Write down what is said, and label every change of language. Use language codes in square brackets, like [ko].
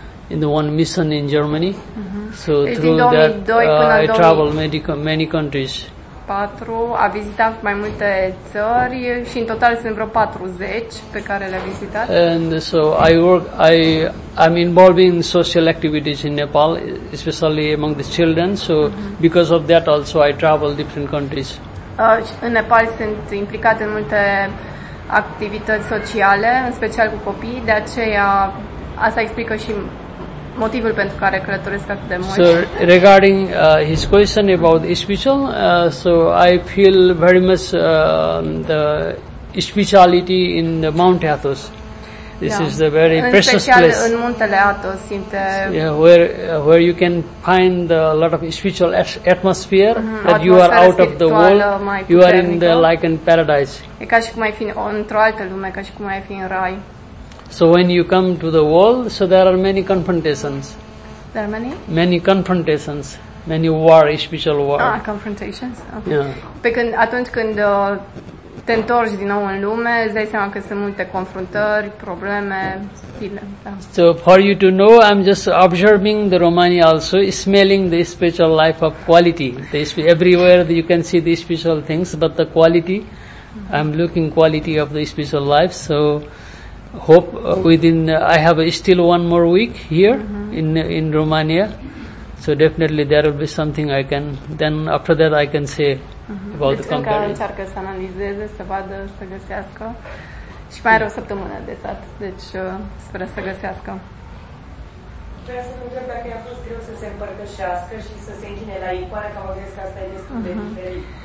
[en] In the one mission in Germany, so through that I traveled many countries. [ro] 4, a vizitat mai multe țări și în total sunt vreo 40 pe care le-a vizitat. [en] And so I work, I'm involved in social activities in Nepal, especially among the children, so because of that also I travel different countries. [ro] În Nepal sunt implicat în multe activități sociale, în special cu copii, de aceea asta explică și motivul pentru care călătoresc atât de mult. [en] So regarding his question about spiritual, so I feel very much the spirituality in the Mount Athos. This is the very [ro] în [en] precious special place. [ro] În muntele Athos simte. [en] Yeah, where you can find a lot of spiritual atmosphere, that you are out of the world, you are in the like in paradise. [ro] E ca și cum ai fi într-o altă lume, ca și cum ai fi în rai. [en] So when you come to the world, so there are many confrontations. There are many? Many confrontations, many war, spiritual war. Ah, confrontations. Okay. Yeah. [ro] Pe când, atunci când te întorci din nou în lume, îți dai seama că sunt multe confruntări, probleme, stile. [en] So for you to know, I'm just observing the Romania also, smelling the spiritual life of quality. Everywhere you can see the spiritual things, but the quality, I'm looking quality of the spiritual life, so hope within I have still one more week here in Romania, so definitely there will be something I can then after that I can say about [ro] deci [en] the conquering. [ro] Deci încă încearcă să analizeze, să vadă, să găsească și mai are o săptămână de stat, deci sper să găsească. Vreau să vă întreb dacă i-a fost greu să se împărtășească și să se închine la icoane, că am zis că asta e destul de diferit.